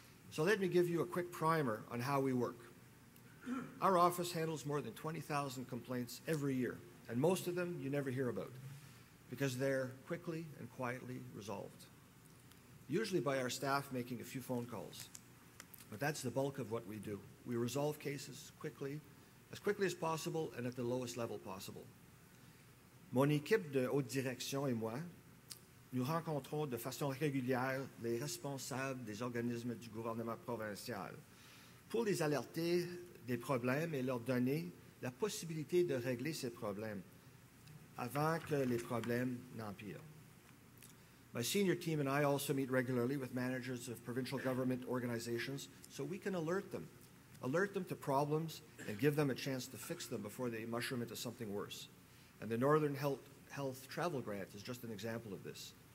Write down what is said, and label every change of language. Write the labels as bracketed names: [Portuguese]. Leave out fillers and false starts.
[English] So let me give you a quick primer on how we work. Our office handles more than 20,000 complaints every year, and most of them you never hear about, because they're quickly and quietly resolved, usually by our staff making a few phone calls. But that's the bulk of what we do. We resolve cases quickly, as quickly as possible, and at the lowest level possible. [French] Mon équipe de haute direction et moi, nous rencontrons de façon régulière les responsables des organismes du gouvernement provincial pour les alerter des problèmes et leur donner la possibilité de régler ces problèmes avant que les problèmes n'empirent. [English] My senior team and I also meet regularly with managers of provincial government organizations so we can alert them to problems and give them a chance to fix them before they mushroom into something worse. And the Northern Health Travel Grant is just an example of this.